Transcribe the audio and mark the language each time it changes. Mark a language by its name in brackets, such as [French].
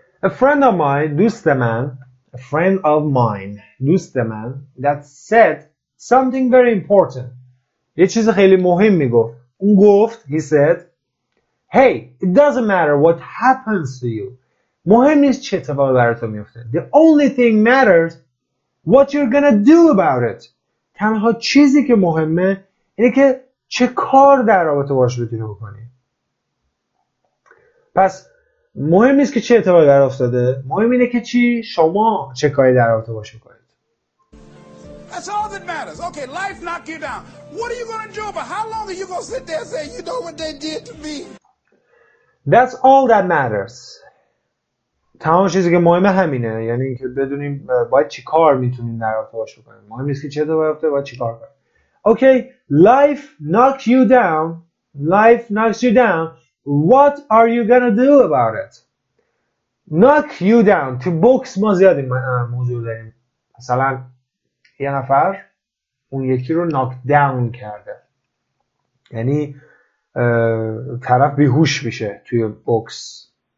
[English] A friend of mine, [Persian] دوست من, [English] a friend of mine, دوست من, that said something very important. [Persian] یه چیز خیلی مهم میگفت. اون گفت, [English] he said, "Hey, it doesn't matter what happens to you. [Persian] مهم نیست چه اتفاقی برات میفته. [English] The only thing matters what you're going to do about it." [Persian] تنها چیزی که مهمه اینه که چه کار در رابطه باش بتونی بکنی. پس مهم نیست که چه اتفاقی در افتاده، مهم اینه که چی شما چه کاری در رابطه باش بکنید. [English] That's all that matters. Okay, life knocked you down. What are you going to do about it? How long are you going to sit there and say you know what they did to me? That's all that matters. [Persian] تمام چیزی که مهمه همینه، یعنی اینکه بدونیم باید چی کار میتونیم در رابطه باش بکنیم، مهم نیست که چه دو باید چی کار کنیم. [English] Okay, life knocked you down. Life knocks you down. What are you gonna do about it? Knock you down. [Persian] تو بوکس ما زیاد این موضوع داریم. مثلا یه نفر اون یکی رو knock down کرده. یعنی طرف بیهوش میشه توی بوکس.